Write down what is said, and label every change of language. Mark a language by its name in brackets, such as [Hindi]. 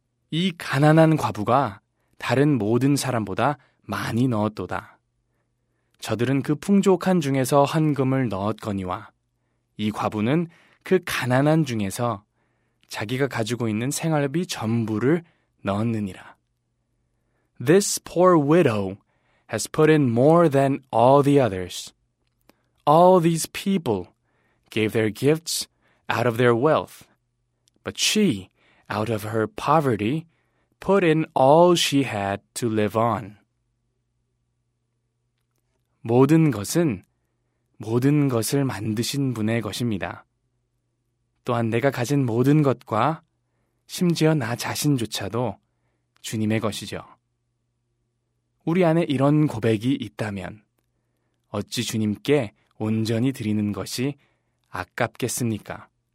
[Korean] 이 가난한 과부가 다른 모든 사람보다 많이 넣었도다. 저들은 그 풍족한 중에서 헌금을 넣었거니와 이 과부는 그 가난한 중에서 자기가 가지고 있는 생활비 전부를 넣었느니라. [English] This poor widow has put in more than all the others. All these people gave their gifts out of their wealth, but she, out of her poverty, put in all she had to live on. [Korean] 모든 것은 모든 것을 만드신 분의 것입니다. 또한 내가 가진 모든 것과 심지어 나 자신조차도 주님의 것이죠. 우리 안에 이런 고백이 있다면 어찌 주님께 온전히 드리는 것이 아깝겠습니까?